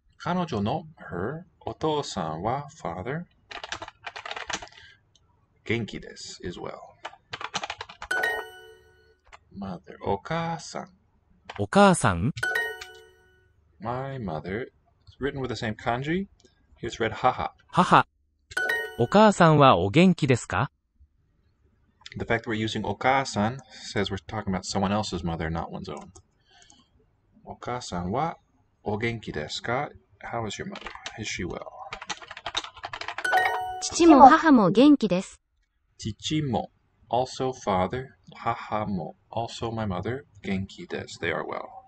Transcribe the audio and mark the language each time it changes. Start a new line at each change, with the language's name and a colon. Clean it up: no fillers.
Japanese: 彼女の her お父さんは father 元気です
English: as well.
Japanese: Mother お母さん、お母さん。
English: My mother written with the same kanji. Here's read 母。
Japanese: 母。お母さんはお元気ですか？
English: The fact that we're using お母さん says we're talking about someone else's mother, not one's own.
Japanese: お母さんはお元気ですか?
English: How is your mother? Is she well?
Japanese: 父も母も元気です。父も
English: also father,
Japanese: 母も
English: also my mother,
Japanese: 元気です。
English: They are well.